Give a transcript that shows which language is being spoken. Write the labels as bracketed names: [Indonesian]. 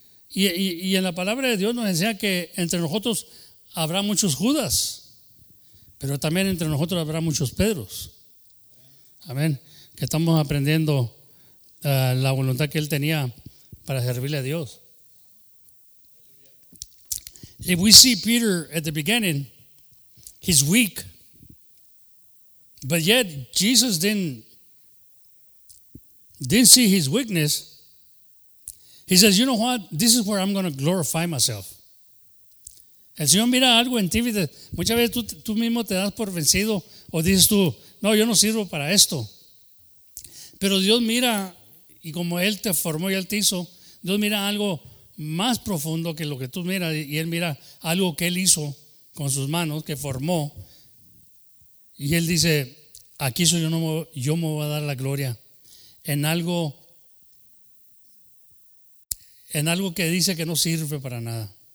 [Spanish] Y en la palabra de Dios nos enseña que entre nosotros habrá muchos Judas, pero también entre nosotros habrá muchos Pedros. Amén. Que estamos aprendiendo la voluntad que él tenía para servirle a Dios. [English] If we see Peter at the beginning, he's weak. But yet, Jesus didn't see his weakness. He says, you know what? This is where I'm going to glorify myself. [Spanish] El Señor mira algo en ti. Muchas veces tú mismo te das por vencido o dices tú, no, yo no sirvo para esto. Pero Dios mira, y como Él te formó y Él te hizo, Dios mira algo más profundo que lo que tú miras, y Él mira algo que Él hizo con sus manos, que formó, y él dice, aquí soy yo, yo me voy a dar la gloria, en algo que dice que no sirve para nada.